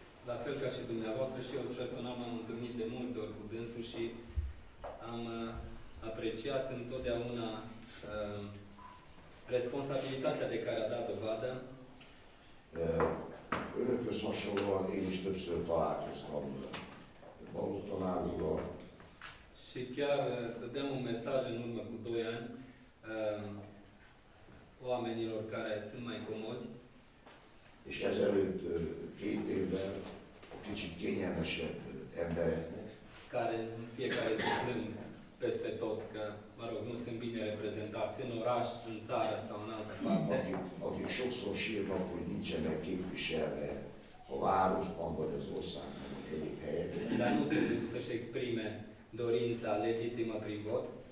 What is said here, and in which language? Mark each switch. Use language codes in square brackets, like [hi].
[ro] La fel ca și dumneavoastră, și eu personal m-am întâlnit de multe ori cu dânsul și am apreciat întotdeauna responsabilitatea de care a dat dovadă. [hu] Önökhöz hasonlóan én is többször találkoztam Balogh tanárúval. [ro] Și chiar dădeam un mesaj în urmă cu 2 ani oamenilor care sunt mai comozi. [hu] És ezelőtt 2 évvel a kicsit kényelmesebb embereknek. [ro] Care fiecare se plâng peste tot, că, mă rog, nu sunt bine reprezentați în oraș, în țară sau în altă parte. [hu] Akik sokszor sírnak, hogy nincsenek képviselve a városban vagy az országban, vagy egyik helyen. [ro] Dar nu sunt să-și exprime dorința legitimă prin vot.